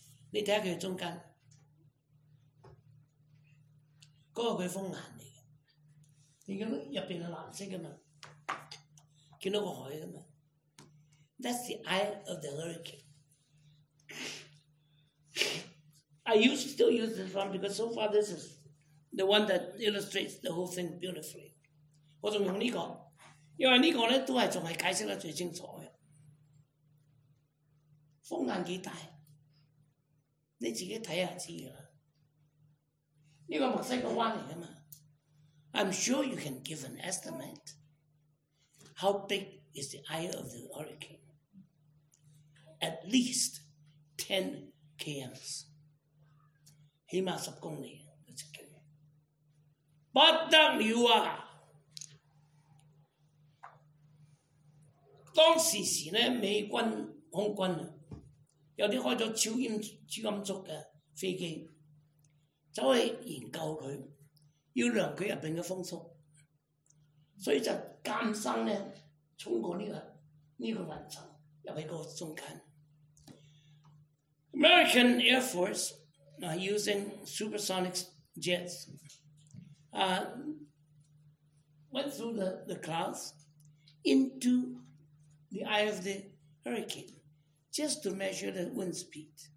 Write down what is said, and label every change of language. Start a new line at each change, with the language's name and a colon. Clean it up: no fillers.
Cantonese: 你睇下佢中间，嗰个颶风眼嚟嘅，你见到入边系蓝色噶嘛？见到个海噶嘛 ？
English: That's the eye of the hurricane. I used to use this one because so far this is the one that illustrates the whole thing beautifully.
Cantonese: 我仲用呢個，因為呢個咧都係仲係解釋得最清楚嘅。風眼幾大，你自己睇下知噶啦。呢個墨西哥灣嚟噶嘛
English: ？I'm sure you can give an estimate. How big is the eye of the hurricane? At least 10 km.
Cantonese: 起碼十公里都直徑，不得了啊！當時時咧，美軍空軍啊，有啲開咗超音速嘅飛機，走去研究佢，要量佢入邊嘅風速，所以就艱辛咧衝過呢個雲層入去個中間。
English: American Air Force。 Using supersonic jets, went through the clouds into the eye of the hurricane just to measure the wind speed.